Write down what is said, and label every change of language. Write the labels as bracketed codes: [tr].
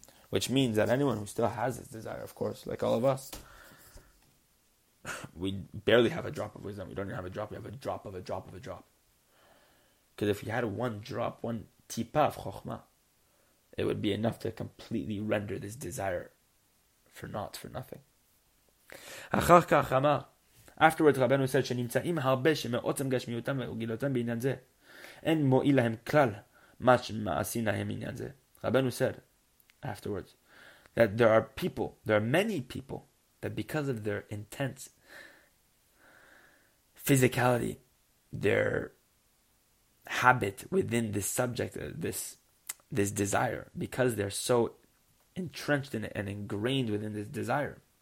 [en] Which means that anyone who still has this desire, of course, like all of us, we barely have a drop of wisdom. We don't even have a drop. We have a drop of a drop of a drop. Because if we had one drop, one [he] tipa [en] of chokhmah, it would be enough to completely render this desire for nothing. [he] אחר כך אמר, [en] afterwards [he] רבנו [en] said, [he] שנמצאים הרבה שמעוצם גשמיותם וגילותם בעניין זה, אין מועיל להם כלל מה שמעשי להם בעניין זה. [en] רבנו said, afterwards, that there are people, there are many people, that because of their intense physicality, their habit within this subject, this desire, because they're so entrenched in it and ingrained within this desire,